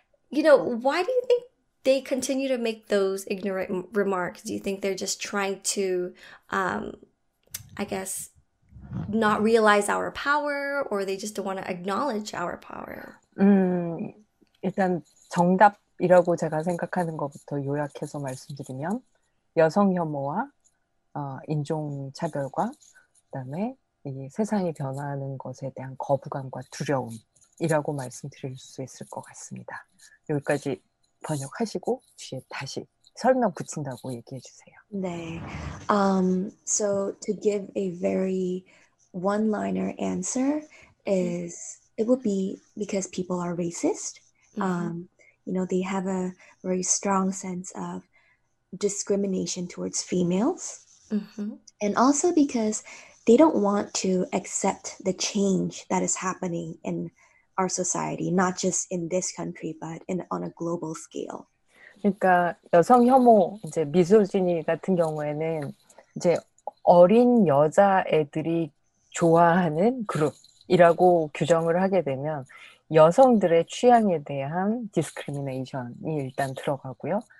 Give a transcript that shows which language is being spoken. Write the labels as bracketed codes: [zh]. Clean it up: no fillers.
[en] Why do you think they continue to make those ignorant remarks? Do you think they're just trying to, I guess, not realize our power, or they just don't want to acknowledge our power? [ko] 일단 정답이라고 제가 생각하는 것부터 요약해서 말씀드리면, 여성 혐오와 인종 차별과 그다음에 이 세상이 변화하는 것에 대한 거부감과 두려움이라고 말씀드릴 수 있을 것 같습니다. 여기까지 번역하시고 뒤에 다시 설명 붙인다고 얘기해 주세요. [en] 네. So to give a very one-liner answer is It would be because people are racist. You know, they have a very strong sense of discrimination towards females. And also because they don't want to accept the change that is happening in our society, not just in this country, but in on a global scale. [ko] 그러니까 여성 혐오, 이제 미소지니 같은 경우에는 이제 어린 여자애들이 좋아하는 그룹이라고 규정을 하게 되면 여성들의 취향에 대한 디스크리미네이션이 일단 들어가고요.